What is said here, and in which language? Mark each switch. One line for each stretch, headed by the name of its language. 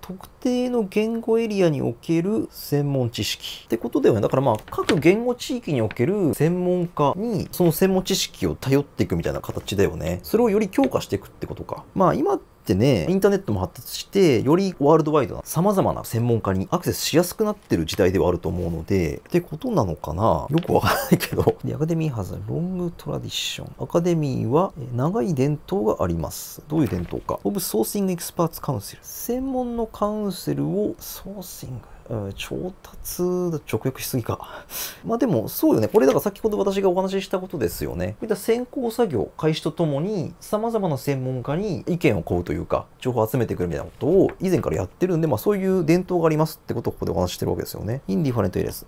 Japanese: 特定の言語エリアにおける専門知識ってことではない。だからまあ各言語地域における専門家にその専門知識を頼っていくみたいな形だよね。それをより強化していくってことか。まあ今ってね、インターネットも発達してよりワールドワイドな様々な専門家にアクセスしやすくなってる時代ではあると思うのでってことなのかな、よくわからないけど。
English: でアカデミー has a long tradition。
Japanese: アカデミーは長い伝統があります。どういう伝統か。
English: Of sourcing experts council、
Japanese: 専門のカウンセルをソーシング調達だ、直訳しすぎか。まあでもそうよね、これだから先ほど私がお話ししたことですよね。こういった先行作業開始とともに様々な専門家に意見を請うというか情報を集めてくるみたいなことを以前からやってるんで、まあそういう伝統がありますってことをここでお話ししてるわけですよね。インディファレントエリアです。